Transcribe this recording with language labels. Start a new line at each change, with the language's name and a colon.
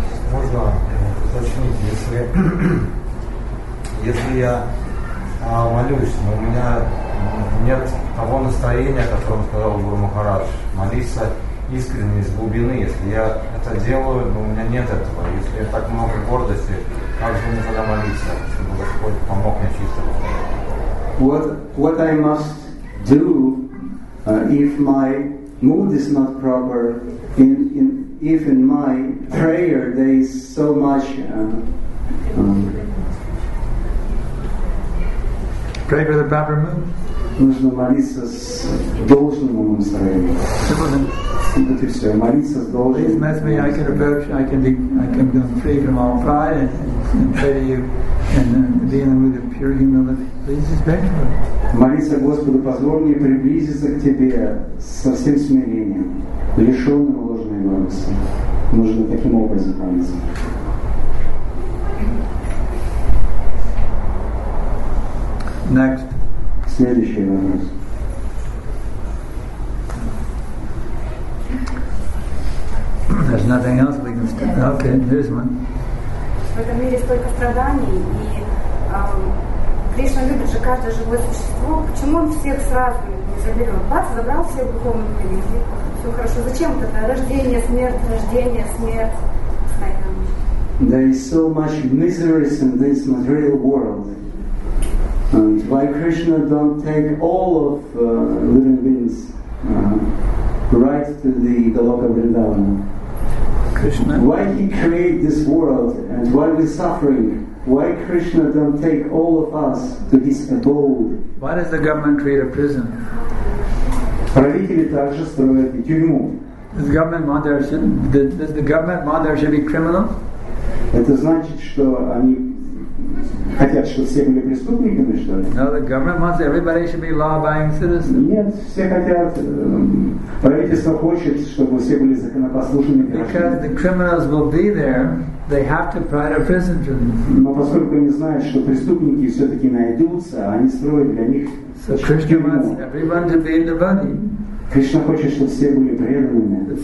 Russian: Можно уточнить, если я молюсь, но у меня нет того настроения, о котором сказал Гуру Махарадж, молиться искренне, из глубины, если я это делаю, но у меня нет этого, если я так много гордости, как же мне тогда молиться, чтобы Господь помог мне чисто?
English: What I must do if my mood is not proper, if in my prayer there is so much pray for the proper mood?
Russian: Нужно молиться с должным настроением.
English: Please bless me. I can approach. I can become free from all pride and pray to you and be in the mood of pure humility. Please just beg for it.
Russian: Молиться Господу, позволь мне приблизиться к Тебе со всем смирением, лишённым ложной гордости. Нужно таким образом молиться.
English: Next.
Russian: Следующий вопрос.
English: There's nothing else we can stop. Yeah. Okay, here's one.
Russian: В этом мире столько страданий, и Кришна любит же каждое живое существо. Почему он всех сразу не заберет? Бац, забрал всех духовных людей. Все хорошо. Зачем тогда? Рождение, смерть, знаете.
English: There is so much misery in this material world. And why Krishna don't take all of living beings right to the Goloka Vrindavana? Krishna. Why he created this world and why we're suffering? Why Krishna don't take all of us to his abode? Why does the government create a prison?
Russian: Правители также строят и тюрьму.
English: Does the government want there should be criminal?
Russian: Это значит, что они хотят, чтобы все были преступниками, что ли?
English: No, the government wants everybody should be law-abiding citizens.
Russian: Нет, все хотят. Правительство хочет, чтобы все были законопослушными гражданами.
English: Because the criminals will be there, they have to provide a prison for them.
Russian: Но поскольку они знают, что преступники все-таки найдутся, они строят для них.
English: So Krishna wants everyone to be a devotee.
Russian: Кришна хочет, чтобы все были преданными.